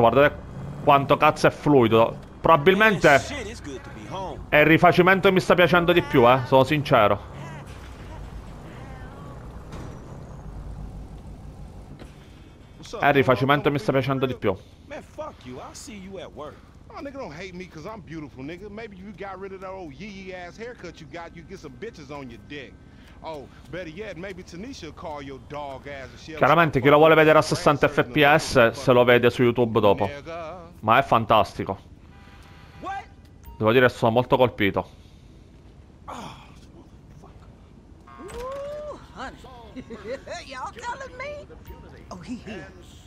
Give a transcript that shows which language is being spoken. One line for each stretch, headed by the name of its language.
Italian: Guardate quanto cazzo è fluido. Probabilmente è il rifacimento che mi sta piacendo di più, sono sincero. È il rifacimento mi sta piacendo di più.
English: Man, fuck you. I'll see you at work. Oh, nigga, don't hate me because I'm beautiful, nigga. Maybe you got rid of that old yee-yee ass haircut you got, you get some bitches on your dick. Oh, better yet, maybe Tanisha will call your dog ass.
Italian: Chiaramente, chi lo vuole vedere a 60 fps se lo vede su YouTube dopo. Ma è fantastico. Devo dire, sono molto colpito.
English: Oh, honey. Y'all telling me? Oh, he.